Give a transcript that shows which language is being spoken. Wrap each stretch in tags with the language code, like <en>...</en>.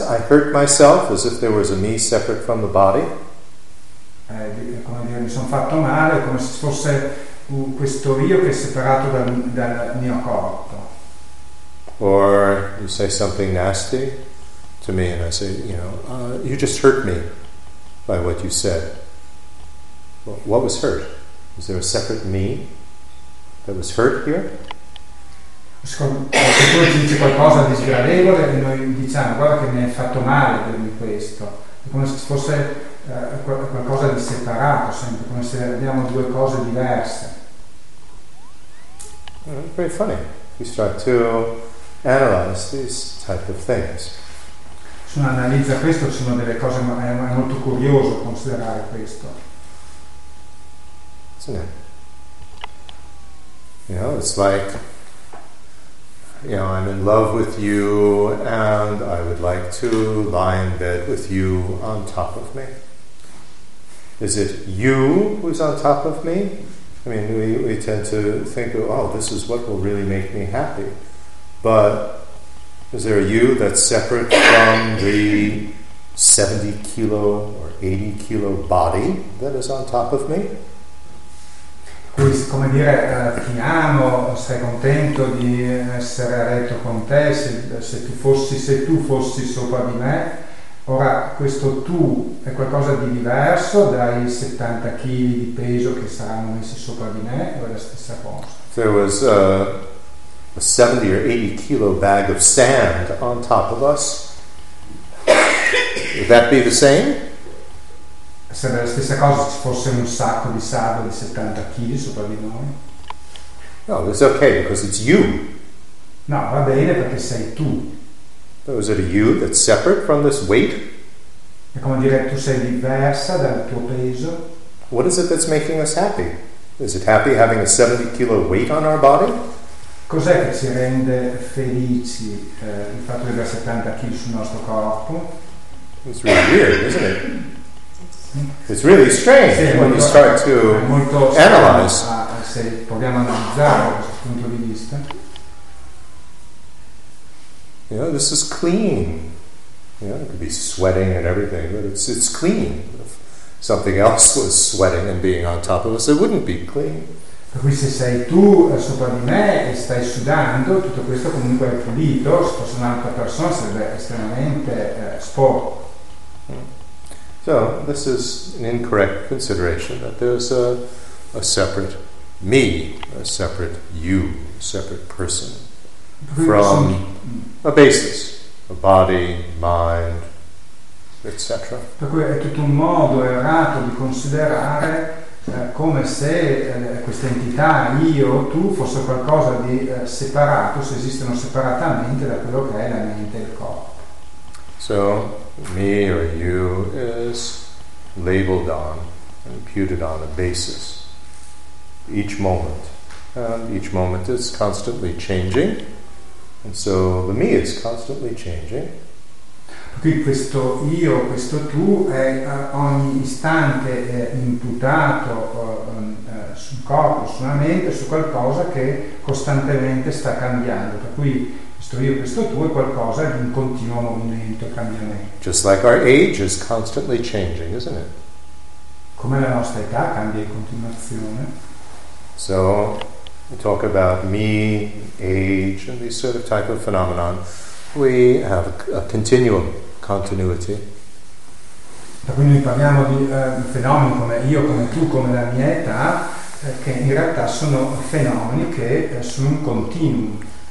<en>I hurt myself as if there was a me separate from the body?</en> <it>Come dire, mi sono fatto male, come se fosse questo io che è separato dal mio corpo.</it> <en>Or you say something nasty to me and I say, you just hurt me by what you said. Well, what was hurt? Is there a separate me that was hurt here?</en> <it>Se tu dici qualcosa di sgradevole e noi diciamo, guarda che mi hai fatto male per questo. È come se fosse qualcosa di separato, sempre, come se abbiamo due cose diverse.</it> <en>Very funny. We start to analyze these type of things.</en> <it>Se uno analizza questo, ci sono delle cose, ma è molto curioso considerare questo.</it> <en>Isn't it? It's like, I'm in love with you and I would like to lie in bed with you on top of me. Is it you who's on top of me? I mean, we tend to think, this is what will really make me happy. But is there a you that's separate from the 70 kilo or 80 kilo body that is on top of me?</en> <it>Qui, come dire, ti amo, sei contento di essere a letto con te, se tu fossi sopra di me. Ora, questo tu è qualcosa di diverso dai 70 kg di peso che saranno messi sopra di me, o è la stessa cosa?</it> <en>There was a 70 or 80 kilo bag of sand on top of us. Would that be the same?</en> <it>Sarebbe la stessa cosa se ci fosse un sacco di sabbia di 70 kg sopra di noi?</it> <en>No, it's okay because it's you.</en> <it>No, va bene perché sei tu.</it> <en>So is it a you that's separate from this weight?</en> <it>È come dire tu sei diversa dal tuo peso.</it> <en>What is it that's making us happy? Is it happy having a 70 kilo weight on our body?</en> <it>Cos'è che ci rende felici il fatto di avere 70 kg sul nostro corpo?</it> <en>It's really weird, isn't it? It's really strange when you start to analyze.</en> <it>Se proviamo a analizzare questo punto di vista.</it> <en>This is clean. It could be sweating and everything, but it's clean. If something else was sweating and being on top of us, it wouldn't be clean.</en> <it>Per cui se sei tu sopra di me e stai sudando, tutto questo comunque è pulito. Se fosse un'altra persona sarebbe estremamente sporco. So this is an incorrect consideration that there's a separate me, a separate you, a separate person from a basis, a body, mind, etc. Per cui è tutto un modo errato di considerare come se questa entità, io, tu, fosse qualcosa di separato, se esistono separatamente da quello che è la mente e il corpo.</it> <en>So, me or you is labeled on, imputed on a basis. Each moment. And each moment is constantly changing. And so the me is constantly changing.</en> <it>Qui questo io, questo tu, è ogni istante imputato sul corpo, sulla mente, su qualcosa che costantemente sta cambiando. Per cui questo io, questo tu è qualcosa di un continuo movimento e cambiamento.</it> <en>Just like our age is constantly changing, isn't it?</en> <it>Come la nostra età cambia in continuazione.</it> <en>So, we talk about me, age, and these sort of type of phenomenon. We have a continuum. Continuity.</en> <it>Per cui noi parliamo di fenomeni come io, come tu, come la mia età, che in realtà sono fenomeni che sono un continuum.</it>